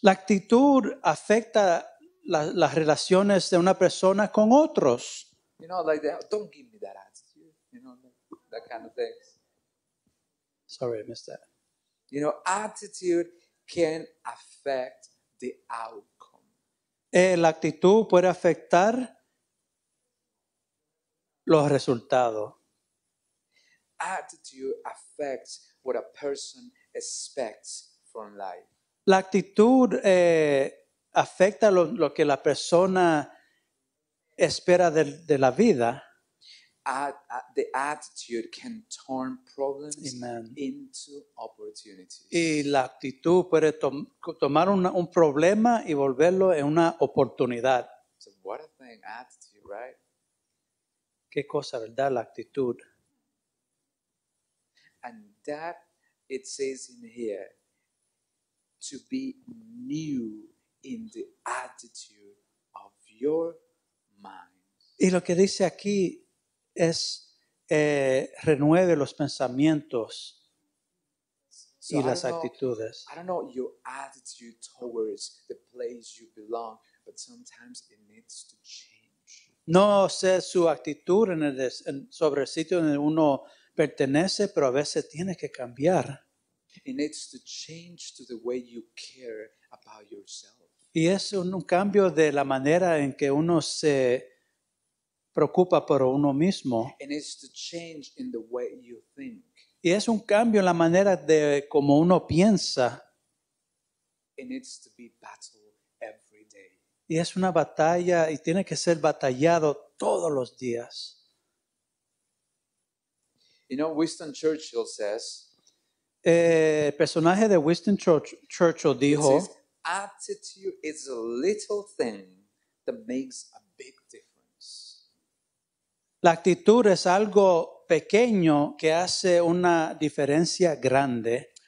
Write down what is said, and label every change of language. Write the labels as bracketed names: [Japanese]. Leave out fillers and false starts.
[Spanish] La actitud afecta las relaciones de una persona con otros. [English] You know, like that, don't give me that attitude. You know, that kind of things. Sorry, I missed that. You know, attitude can affect the outcome. [Spanish] La actitud puede afectar los resultados. [English] Attitude affects what a person expects from life. [Spanish] La actitud afecta lo que la persona espera de la vida. [English] The attitude can turn problems Amen. Into opportunities. [Spanish] Y la actitud puede tomar un problema y volverlo en una oportunidad. [English] So what a thing, attitude, right? [Spanish] ¿Qué cosa, verdad, la actitud? [English] And that it says in here to be new in the attitude of your mind. [Spanish] Y lo que dice aquí es renueve los pensamientos y las actitudes. [English] I don't know your attitude towards the place you belong, but sometimes it needs to change. [Spanish] No sé su actitud sobre el sitio donde uno pertenece, pero a veces tiene que cambiar. [English] It needs to change to the way you care about yourself. [Spanish] Y es un cambio de la manera en que uno se preocupa por uno mismo. [English] It needs to change in the way you think. [Spanish] Y es un cambio en la manera de como uno piensa. [English] It needs to be battled every day. [Spanish] Y es una batalla y tiene que ser batallado todos los días. [English] You know, Winston Churchill says, [Spanish] el personaje de Winston Churchill dijo, [English] attitude is a little thing that makes a big difference. [Spanish] La actitud es algo pequeño que hace una diferencia grande.